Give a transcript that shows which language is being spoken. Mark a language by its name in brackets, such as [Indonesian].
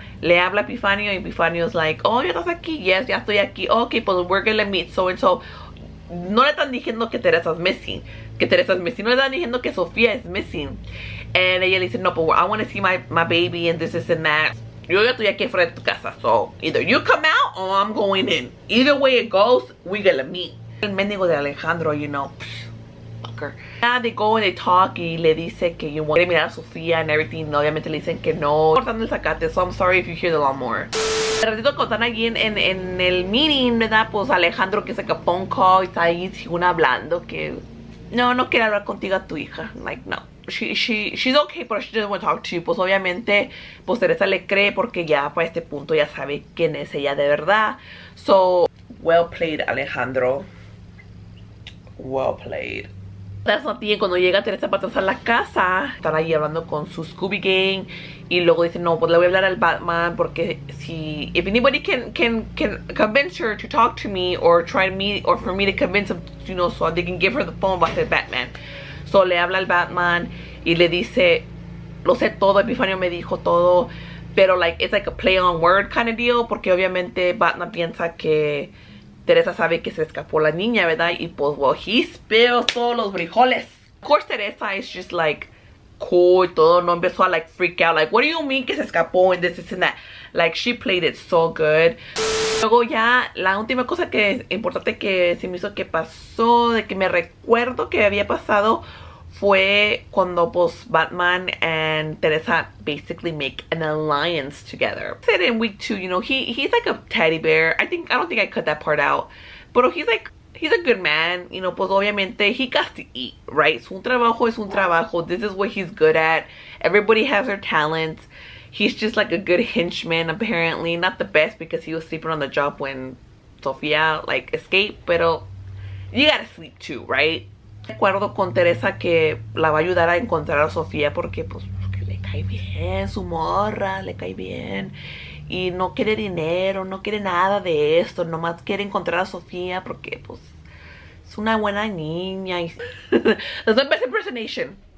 [Spanish] Le habla Epifanio y [English] Epifanio's like, oh, [Spanish] ya estás aquí. [English] Yes, [Spanish] ya estoy aquí. [English] Okay, but we're gonna meet so and so. [Spanish] No le están diciendo que [English] Teresa's missing. [Spanish] Que Teresa's missing. No le están diciendo que Sofía [English] is missing. And [Spanish] ella le dice, no, [English] but I want to see my baby and this and that. [Spanish] Yo ya estoy aquí fuera de tu casa, [English] so either you come out or I'm going in. Either way it goes, we gonna meet. [Spanish] El mendigo de Alejandro, [English] you know, fucker. Yeah, they go and they talk [Spanish] y le dice que [English] you want to meet a Sofía and everything. [Spanish] Obviamente le dicen que no. Cortando el sacate, [English] so I'm sorry if you hear the lawnmower. [Spanish] El ratito que están allí en el meeting, ¿verdad? Pues Alejandro que saca phone call y está ahí y una hablando que no quiere hablar contigo a tu hija. Like, no, [English] she's okay, but she doesn't want to talk to you. [Spanish] Pues obviamente, pues Teresa le cree porque ya para este punto ya sabe quién es ella de verdad. [English] So, well played, Alejandro. Well played. That's not the end. [Spanish] Cuando llega Teresa para atrás a la casa, están ahí hablando con su Scooby Gang. Y luego dice, no, pues le voy a hablar al Batman porque si... [English] If anybody can convince her to talk to me or try me or for me to convince him, you know, so they can give her the phone, [Spanish] va a ser Batman. So le habla al Batman y le dice, lo sé todo, Epifanio me dijo todo. [English] Pero like, it's like a play on word kind of deal [Spanish] porque obviamente Batman piensa que... Teresa sabe que se escapó la niña, ¿verdad? Y pues, [English] well, he spills [Spanish] todos los frijoles. [English] Of course, Teresa is just like, cool [Spanish] y todo. No empezó a [English] like, freak out. Like, what do you mean [Spanish] que se escapó [English] and this and that? Like, she played it so good. [Spanish] Luego ya, la última cosa que es importante que se me hizo que pasó, de que me recuerdo que había pasado, fue cuando, pues, [English] Batman and Teresa basically make an alliance together. Said in week two, you know, he's like a teddy bear. I don't think I cut that part out. But he's a good man. You know, [Spanish] pues, obviamente, [English] he got to eat, right? [Spanish] Su trabajo es un trabajo. [English] This is what he's good at. Everybody has their talents. He's just like a good henchman, apparently. Not the best because he was sleeping on the job when Sofia, like, escaped. Pero you gotta sleep too, right? [Spanish] Acuerdo con Teresa que la va a ayudar a encontrar a Sofía porque pues porque le cae bien su morra, le cae bien y no quiere dinero, no quiere nada de esto, nomás quiere encontrar a Sofía porque pues es una buena niña y es la mejor impersonation.